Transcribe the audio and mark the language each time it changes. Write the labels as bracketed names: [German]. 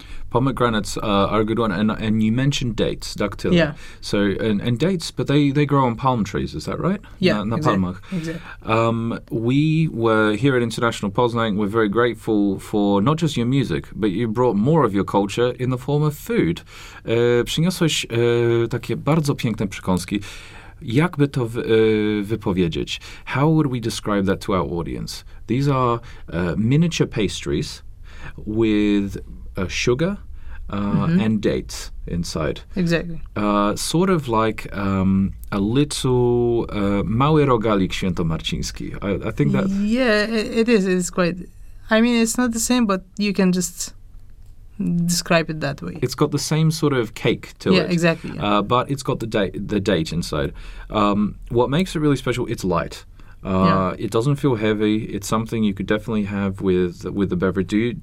[English] Pomegranates are a good one, and you mentioned dates, dactyla. Yeah. So, and dates, but they grow on palm trees, is that right? Yeah, [Polish] na palmach. [English] Exactly. We were here at International Poznan, we're very grateful for not just your music, but you brought more of your culture in the form of food. [Polish] Przyniosłeś takie bardzo piękne przekąski. Jak by to wypowiedzieć? [English] How would we describe that to our audience? These are miniature pastries with... sugar and dates inside. Exactly. Sort of like a little [Polish] mały rogalik świętomarciński. [English] I think that... Yeah, it is. It's quite... I mean, it's not the same, but you can just describe it that way. It's got the same sort of cake to it. Exactly, yeah, exactly. But it's got the date inside. What makes it really special, it's light. It doesn't feel heavy. It's something you could definitely have with the beverage.